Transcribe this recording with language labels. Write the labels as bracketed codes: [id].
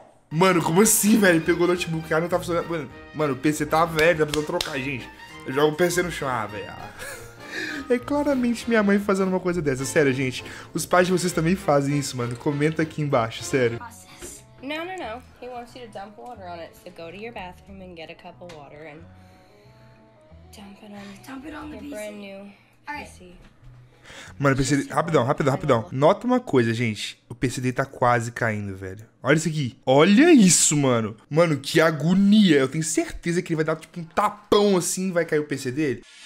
[pt] Mano, como assim, velho? Pegou o notebook, cara, não tá funcionando. Mano, o PC tá velho, tá precisando trocar, gente. Eu jogo o PC no chão, ah, velho. É claramente minha mãe fazendo uma coisa dessa. Sério, gente, os pais de vocês também fazem isso, mano. Comenta aqui embaixo, sério. Não, não, não. [en] He wants you to dump water on it. So go to your bathroom and get a cup of water and dump it on the brand new PC. [pt] Mano, PC, rapidão, rapidão, rapidão. Nota uma coisa, gente. O PC dele tá quase caindo, velho. Olha isso aqui. Olha isso, mano. Mano, que agonia. Eu tenho certeza que ele vai dar tipo um tapão assim e vai cair o PC dele.